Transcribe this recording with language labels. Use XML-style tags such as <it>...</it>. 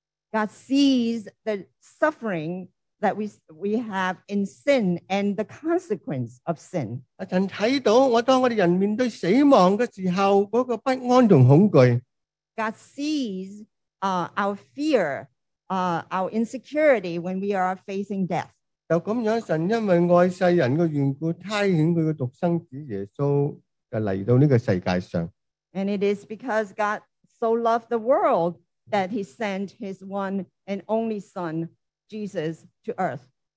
<en>God sees the suffering that we have in sin and the consequence of sin.</en> <zh>神看到我当我们人面对死亡的时候那个不安和恐惧。</zh> <en>God sees our fear, our insecurity when we are facing death.</en> <zh>就这样神因为爱世人的缘故差遣他的独生子耶稣来到这个世界上。</zh> <en>And it is because God so loved the world that he sent his one and only son Jesus to earth.</en>